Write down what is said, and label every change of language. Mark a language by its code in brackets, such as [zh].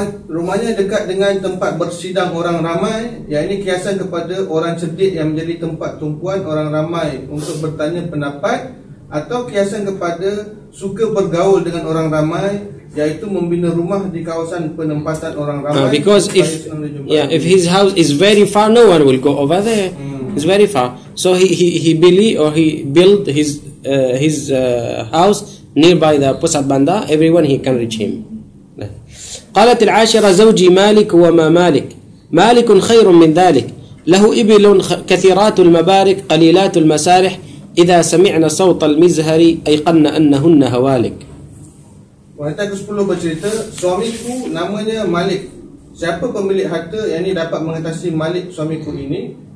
[ms] Rumahnya dekat dengan tempat bersidang orang ramai, yakni kiasan kepada orang cerdik yang menjadi tempat tumpuan orang ramai untuk bertanya pendapat, atau kiasan kepada suka bergaul dengan orang ramai, yaitu membina rumah di kawasan penempatan orang ramai. [en] Because if his house is very far, no one will go over there. It's very far, so he built his house nearby the [ms] Pusat Bandar. [en] Everyone he can reach him. [ar] قالت العاشرة زوجي مالك وما مالك مالك خير من ذلك له إبل كثيرات المبارك قليلات المسارح إذا سمعنا صوت المزهر أيقن أنهن هوالك. [ms] Wanita ke-10 bercerita, suamiku namanya Malik. Siapa pemilik harta yang ini dapat mengatasi Malik suamiku ini?